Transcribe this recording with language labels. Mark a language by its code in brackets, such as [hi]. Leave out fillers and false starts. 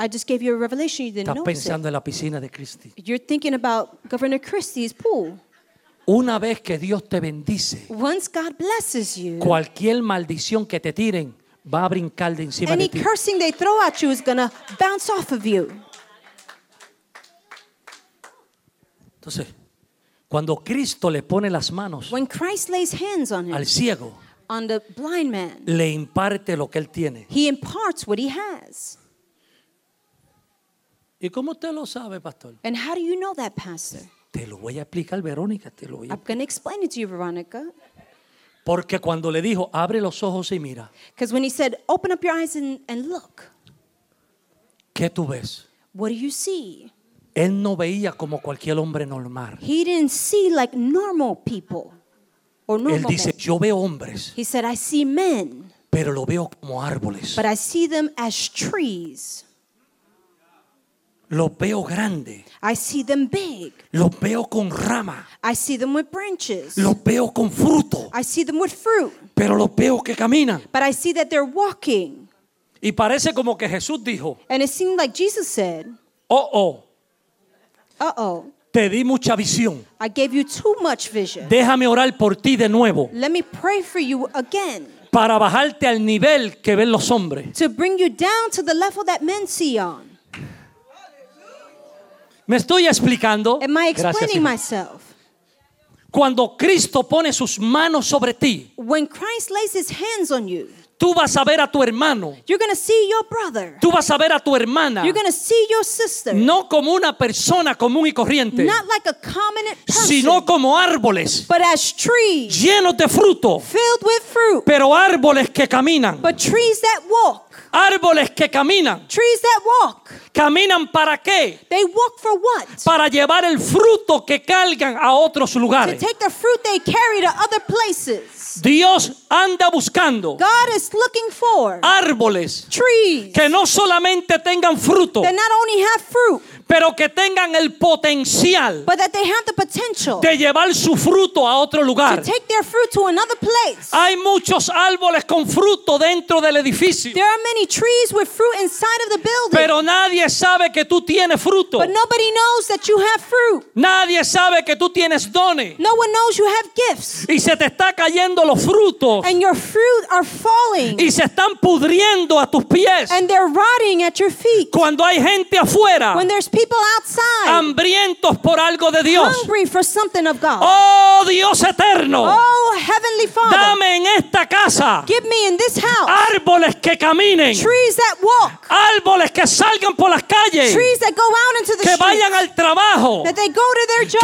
[en] I just gave you a revelation you didn't notice. [es] Estás pensando en la piscina de Christie. [en] You're thinking about Governor Christie's pool. [es] Una vez que Dios te bendice. [en] Once God blesses you. [es] Cualquier maldición que te tiren va a brincar de encima de ti. [en] Any cursing they throw at you is going to bounce off of you. [es] Entonces, cuando Cristo le pone las manos. [en] When Christ lays hands on him. [es] Al ciego. [en] On the blind man. [es] Le imparte lo que él tiene. [en] He imparts what he has. [es] ¿Y cómo usted lo sabe, pastor? [en] And how do you know that, pastor? [es] Te lo voy a explicar, Verónica. [en] I'm going to explain it to you, Veronica. [es] Porque cuando le dijo, abre los ojos y mira. [en] Because when he said, open up your eyes and look. [es] ¿Qué tú ves? [en] What do you see? [es] Él no veía como cualquier hombre normal. [en] He didn't see like normal people. [es] Él dice, yo veo hombres. [en] He said, I see men. [es] Pero lo veo como árboles. [en] But I see them as trees. [es] Lo veo grande. [en] I see them big. [es] Lo veo con rama. [en] I see them with branches. [es] Lo veo con fruto. [en] I see them with fruit. [es] Pero lo veo que camina. [en] But I see that they're walking. [es] Y parece como que Jesús dijo. [en] And it seemed like Jesus said. [es] Uh-oh. Te di mucha visión. [en] I gave you too much vision. [es] Déjame orar por ti de nuevo. [en] Let me pray for you again. [es] Para bajarte al nivel que ven los hombres. [en] To bring you down to the level that men see on. [es] ¿Me estoy explicando? [en] Am I explaining myself? [es] Cuando Cristo pone sus manos sobre ti. [en] When Christ lays his hands on you. [es] Tú vas a ver a tu hermano. [en] You're going to see your brother. [es] Tú vas a ver a tu hermana. [en] You're going to see your sister. [es] No como una persona común y corriente. [en] Not like a common person. [es] Sino como árboles. [en] But as trees. [es] Llenos de fruto. [en] Filled with fruit. [es] Pero árboles que caminan. [en] But trees that walk. [es] Árboles que caminan. [en] Trees that walk. [es] ¿Caminan para qué? [en] They walk for what? [es] Para llevar el fruto que cargan a otros lugares. [en] To take the fruit they carry to other places. [es] Dios anda buscando. [en] God is looking for. [es] Árboles. [en] Trees. [es] Que no solamente tengan fruto. [en] That not only have fruit. [es] Pero que tengan el potencial. [en] But that they have the potential. [es] De llevar su fruto a otro lugar. [en] To take their fruit to another place. [es] Hay muchos árboles con fruto dentro del edificio. [en] There are many trees with fruit inside of the building. [es] Pero nadie sabe que tú tienes fruto. [en] But nobody knows that you have fruit. [es] Nadie sabe que tú tienes dones. [en] No one knows you have gifts. [es] Y se te está cayendo los frutos. [en] And your fruit are falling. [es] Y se están pudriendo a tus pies. [en] And they're rotting at your feet. [es] Cuando hay gente afuera. [en] When there's people outside. [es] Hambrientos por algo de Dios. [en] Hungry for something of God. [es] Oh, Dios eterno. [en] Oh, Heavenly Father. [es] Dame en esta casa. [en] Give me in this house. [es] Árboles que caminen. [en] Trees that walk. [es] Árboles que salgan por las calles. [en] Trees that go out into the streets. [es] Que vayan al trabajo. [en] That they go to their jobs.